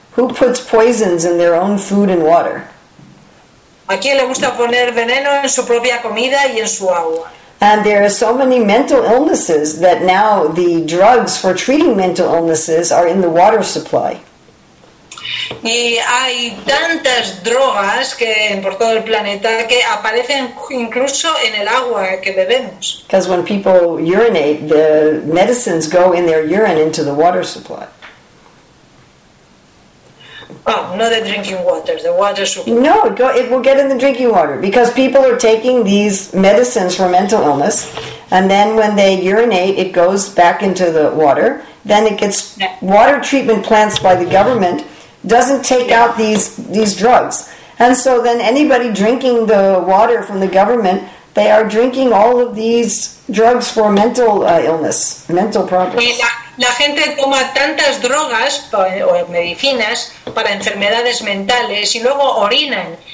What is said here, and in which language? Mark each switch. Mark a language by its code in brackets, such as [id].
[en] Who puts poisons in their own food and water? [es] ¿A quién le gusta poner veneno en su propia comida y en su agua? [en] And there are so many mental illnesses that now the drugs for treating mental illnesses are in the water supply. [es] Y hay tantas drogas que por todo el planeta que aparecen incluso en el agua que bebemos. [en] Because when people urinate, the medicines go in their urine into the water supply. Oh, not the drinking water, the water supply. No, it will get in the drinking water because people are taking these medicines for mental illness and then when they urinate, it goes back into the water. Then it gets water treatment plants by the government doesn't take out these drugs. And so then anybody drinking the water from the government, they are drinking all of these drugs for mental illness, mental problems. [es] La gente toma tantas drogas o medicinas para enfermedades mentales y luego orinan.